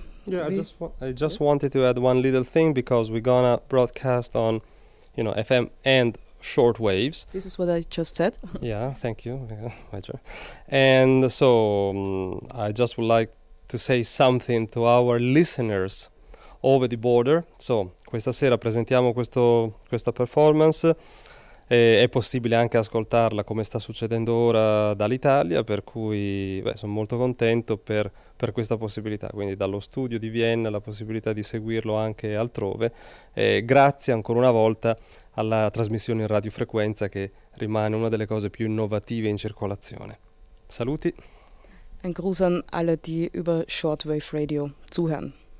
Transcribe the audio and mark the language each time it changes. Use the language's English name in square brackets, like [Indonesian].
[English] I wanted to add one little thing because we're gonna broadcast on, you know, FM and short waves. This is what I just said. Yeah, thank you. And so I just would like to say something to our listeners over the border. [Italian] So questa sera presentiamo questa performance. È possibile anche ascoltarla come sta succedendo ora dall'Italia, per cui sono molto contento per questa possibilità, quindi dallo studio di Vienna la possibilità di seguirlo anche altrove, grazie ancora una volta alla trasmissione in radiofrequenza che rimane una delle cose più innovative in circolazione. Saluti. [German] Ein Gruß an alle, die über Shortwave Radio zuhören.